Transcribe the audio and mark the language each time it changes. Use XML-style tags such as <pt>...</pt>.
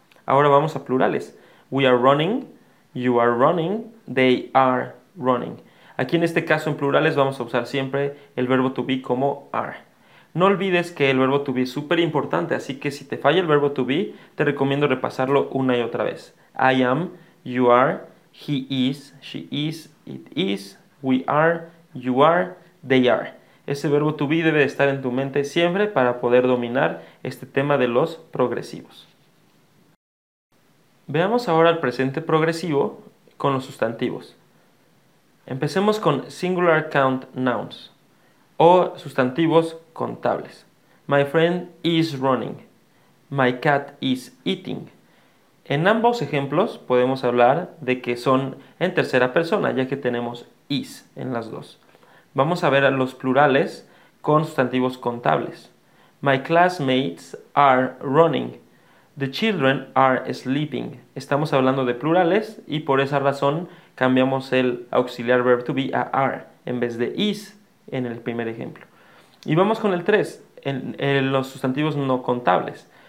<es>Ahora vamos a plurales.</es> <en>We are running. You are running. They are running.</en> <es>Aquí en este caso en plurales vamos a usar siempre el verbo to be como are. No olvides que el verbo to be es súper importante, así que si te falla el verbo to be, te recomiendo repasarlo una y otra vez.</es> <en>I am, you are, he is, she is, it is, we are, you are, they are.</en> <es>Ese verbo to be debe estar en tu mente siempre para poder dominar este tema de los progresivos. Veamos ahora el presente progresivo con los sustantivos. Empecemos con singular count nouns o sustantivos contables.</es> <en>My friend is running. My cat is eating.</en> <es>En ambos ejemplos podemos hablar de que son en tercera persona, ya que tenemos is en las dos. Vamos a ver a los plurales con sustantivos contables.</es> <en>My classmates are running. The children are sleeping.</en> <es>Estamos hablando de plurales y por esa razón cambiamos el auxiliar verb to be a are en vez de is en el primer ejemplo. Y vamos con el 3, en los sustantivos no contables.</es>